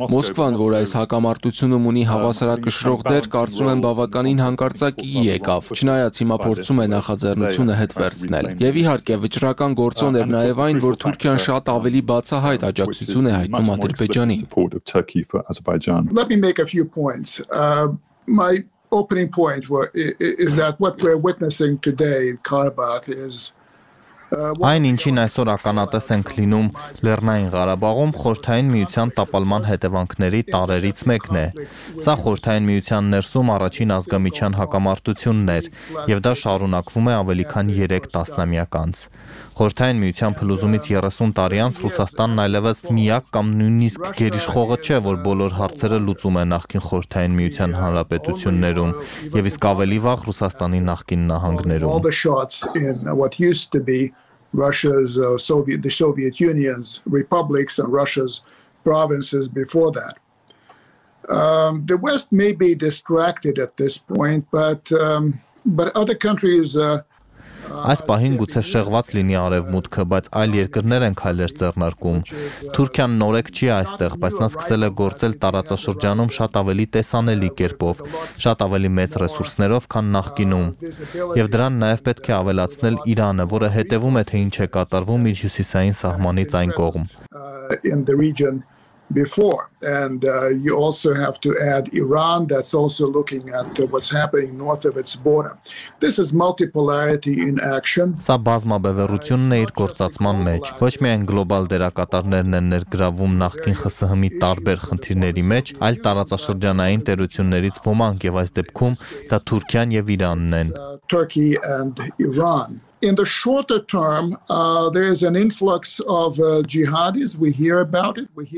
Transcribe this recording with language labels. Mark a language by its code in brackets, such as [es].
[hy] Մոսկվան, որ այս հակամարտությունում ունի հավասարակշռող դեր, կարծում եմ բավականին հանկարծակի եկավ, չնայած հիմա փորձում է նախաձեռնությունը հետ վերցնել։ Եվ իհարկե վճռական գործոն էր նաև այն, որ Թուրքիան շատ ավելի բացահայտ աջակցություն է հայտնում Ադրբեջանին։ [en] Let me make a few points. My opening point is that what we're witnessing today in Karabakh is [hy] Այն ինչին այսօր ականատես ենք լինում Լեռնային Ղարաբաղում, խորհրդային միության տապալման հետևանքների տարերից մեկն է։ Սա խորհրդային միության ներսում առաջին ազգամիջյան հակամարտությունն էր, և դա շարունակվում է ավելի քան 3 տասնամյակ անց։ Խորհրդային միության փլուզումից 30 տարի անց Ռուսաստանն այլևս միակ կամ նույնիսկ գերիշխողը չէ, որ բոլոր հարցերը լուծում է նախկին խորհրդային միության հանրապետություններում և իսկ ավելի վաղ Ռուսաստանի նախկին նահանգներում։ [en] The West may be distracted at this point, but other countries [hy] Այս պահին գուցե շեղված լինի արևմուտքը, բայց այլ երկրներ են քայլեր ձեռնարկում։ Թուրքիան նորեկ չի այստեղ, բայց նա սկսել է գործել տարածաշրջանում շատ ավելի տեսանելի կերպով, շատ ավելի մեծ ռեսուրսներով, քան նախկինում։ Եվ դրան նաև պետք է ավելացնել Իրանը, որը հետևում է, թե ինչ է կատարվում իր հյուսիսային սահմանից այն կողմ։ [en] Before and you also have to add Iran that's also looking at what's happening north of its border. This is multipolarity in action. [hy] Սա բազմաբևեռությունն է իր գործածման մեջ, ոչ միայն գլոբալ դերակատարներն են ներգրավում նախկին ԽՍՀՄ-ի տարբեր խնդիրների մեջ, այլ տարածաշրջանային տերություններից ոմանք, եւ այս դեպքում դա Թուրքիան եւ Իրանն են. [en] Turkey and Iran. In the shorter term, there is an influx of jihadis. We hear about it.